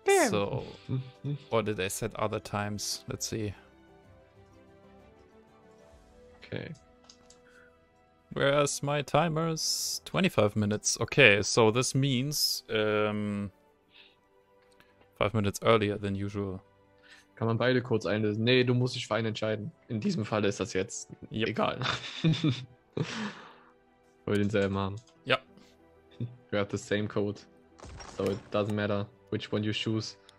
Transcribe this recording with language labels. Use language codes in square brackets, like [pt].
[en] So, what did I set other times? Let's see. Okay. Whereas my timer's 25 minutes. Okay, so this means 5 minutes earlier than usual. [de] Kann man beide kurz einlösen? Nee, du musst dich fein entscheiden. In diesem Fall ist das jetzt egal. Weil wir denselben haben. Ja. [en] We have the same code. So it doesn't matter which one you choose.